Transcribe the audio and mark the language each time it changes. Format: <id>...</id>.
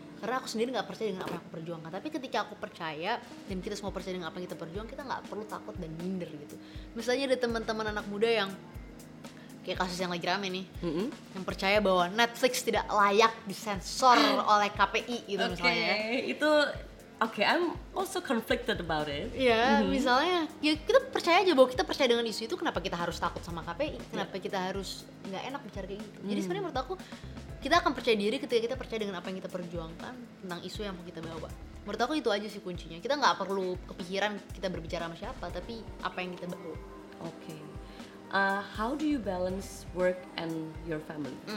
<id>Karena aku sendiri gak percaya dengan apa yang aku perjuangkan. Tapi ketika aku percaya, dan kita semua percaya dengan apa yang kita perjuang, kita gak perlu takut dan minder gitu. Misalnya ada teman-teman anak muda yang kayak kasus yang lagi rame nih, yang percaya bahwa Netflix tidak layak disensor oleh KPI gitu misalnya.</id> <en>Okay, I'm also conflicted about it.</en> <id>Misalnya, ya kita percaya aja bahwa kita percaya dengan isu itu, kenapa kita harus takut sama KPI? Kenapa kita harus gak enak bicara kayak gitu? Jadi sebenarnya menurut aku, kita akan percaya diri ketika kita percaya dengan apa yang kita perjuangkan, tentang isu yang mau kita bawa. Menurut aku itu aja sih kuncinya. Kita gak perlu kepikiran kita berbicara sama siapa, tapi apa yang kita bawa.</id> <en>Okay. How do you balance work and your family?</en>